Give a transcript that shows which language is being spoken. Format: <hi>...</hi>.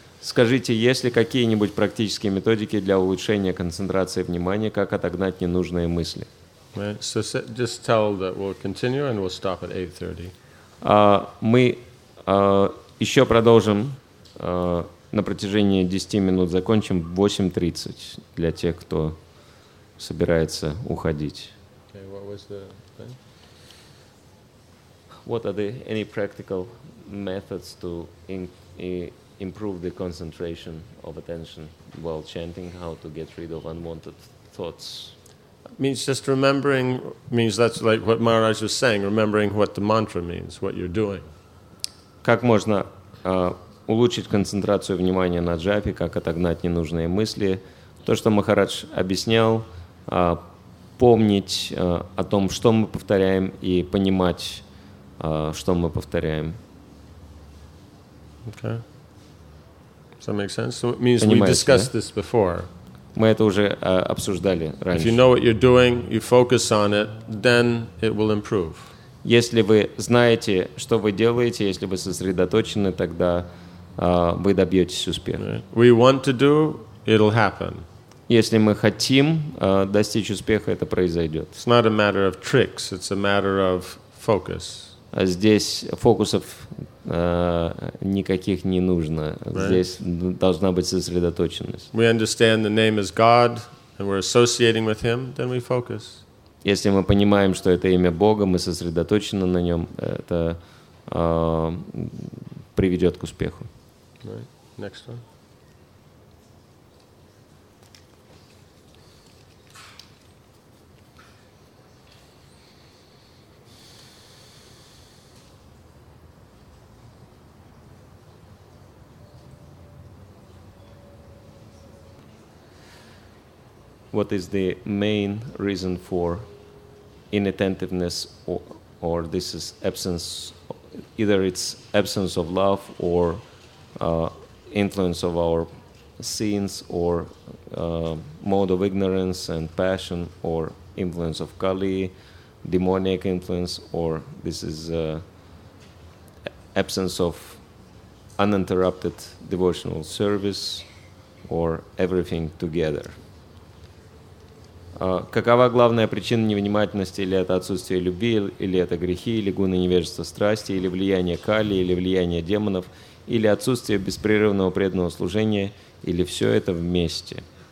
<ru>Скажите, есть ли какие-нибудь практические методики для улучшения концентрации внимания, как отогнать ненужные мысли?</ru> <en>So just tell that we'll continue and we'll stop at 8:30.</en> <ru>Мы еще продолжим на протяжении 10 минут, закончим в 8:30 для тех, кто собирается уходить.</ru> <en>Okay, what was the thing? What are there any practical methods to improve the concentration of attention while chanting? How to get rid of unwanted thoughts? Means just remembering, means that's like what Maharaj was saying, remembering what the mantra means, what you're doing.</en> <ru>Как можно улучшить концентрацию внимания на джапе, как отогнать ненужные мысли? То, что Махарадж объяснял, помнить о том, что мы повторяем, и понимать, что мы повторяем.</ru> <en>Okay. Does that make sense? So it means</en> <ru>понимаете,</ru> <en>we discussed this before.</en> <ru>Мы это уже обсуждали раньше.</ru> <en>If you know what you're doing, you focus on it, then it will improve.</en> <ru>Если вы знаете, что вы делаете, если вы сосредоточены, тогда вы добьетесь успеха.</ru> <en>Right. We want to do, it'll happen.</en> <ru>Если мы хотим достичь успеха, это произойдет.</ru> <en>It's not a matter of tricks, it's a matter of focus.</en> <ru>Здесь фокусов никаких не нужно.</ru> <en>Right.</en> <ru>Здесь должна быть сосредоточенность.</ru> <en>We understand the name is God and we're associating with him, then we focus.</en> <ru>Если мы понимаем, что это имя Бога, мы сосредоточены на нем, это приведет к успеху.</ru> <en>Right. Next one. What is the main reason for inattentiveness or this is absence, either it's absence of love or influence of our sins or mode of ignorance and passion or influence of Kali, demonic influence, or this is absence of uninterrupted devotional service or everything together?</en> <ru>Какова главная причина невнимательности, или это отсутствие любви, или это грехи, или гуны невежества страсти, или влияние кали, или влияние демонов, или отсутствие беспрерывного преданного служения, или все это вместе?</ru>